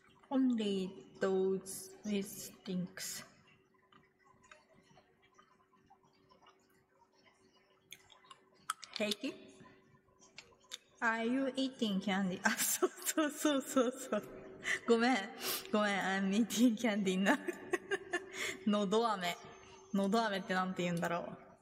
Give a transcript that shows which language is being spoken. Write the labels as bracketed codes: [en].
[en] Only those with links。 [ja] 平気？ [en] Are you eating candy? [ja] あ、そうそうそうそうそう。ごめんごめん、 [en] I'm eating candy now。 [ja] のど飴、のど飴ってなんて言うんだろう。